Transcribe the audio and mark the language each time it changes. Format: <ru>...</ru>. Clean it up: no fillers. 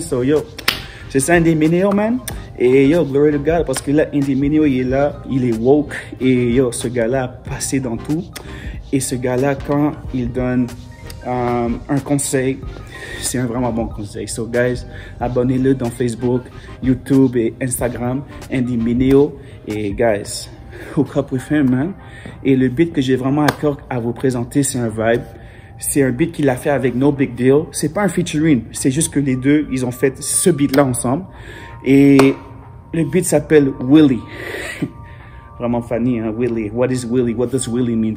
<fr>So yo, c'est ça Andy Mineo, man. Et yo,</fr> <en>glory to God,</en> <fr>parce que là, Andy Mineo, il est là, il est woke. Et yo, ce gars-là a passé dans tout. Et ce gars-là, quand il donne un conseil, c'est un vraiment bon conseil. So guys, abonnez-le dans Facebook, YouTube et Instagram, Andy Mineo.</fr> <en>Et guys, hook up with him, man.</en> <fr>Et le beat que j'ai vraiment à cœur à vous présenter, c'est un vibe. C'est un beat qu'il a fait avec No Big Deal. C'est pas un featuring, c'est juste que les deux, ils ont fait ce beat-là ensemble. Et le beat s'appelle Willy. Vraiment funny, hein, Willy.</fr> <en>What is Willy? What does Willy mean?</en>